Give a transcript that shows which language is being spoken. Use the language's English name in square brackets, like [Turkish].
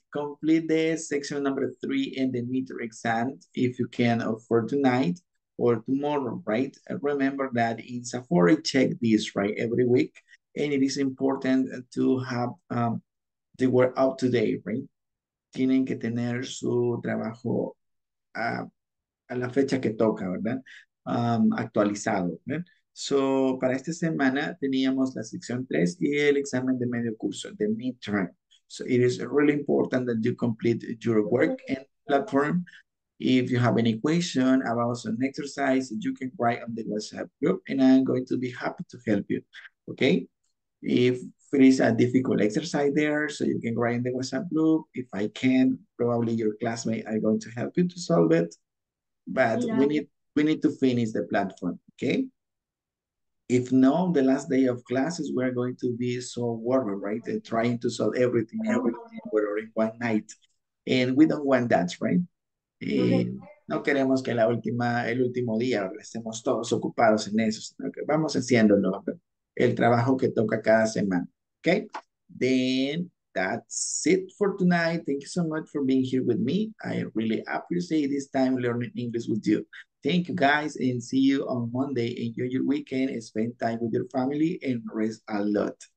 [English] Complete the section number 3 in the midterm exam if you can for tonight or tomorrow, right? Remember that in Safari, check this, right, every week. And it is important to have the work up to date, right? [Spanish] Tienen que tener su trabajo a la fecha que toca, ¿verdad? Actualizado, ¿verdad? [English] So, [Spanish] para esta semana teníamos la sección 3 y el examen de medio curso, [English] the midterm. So, it is really important that you complete your work and platform. If you have any question about some exercise, you can write on the WhatsApp group and I'm going to be happy to help you, okay? If it is a difficult exercise there, so you can write in the WhatsApp group. If I can, probably your classmates are going to help you to solve it. But yeah, we need to finish the platform, okay? If not, the last day of classes, we're going to be so warm, right? And trying to solve everything in one night. And we don't want that, right? [Spanish] No queremos que el último día estemos todos ocupados en eso, sino que vamos haciéndolo, el trabajo que toca cada semana, okay? [English] Then that's it for tonight. Thank you so much for being here with me. I really appreciate this time learning English with you. Thank you guys and see you on Monday. Enjoy your weekend, spend time with your family and rest a lot.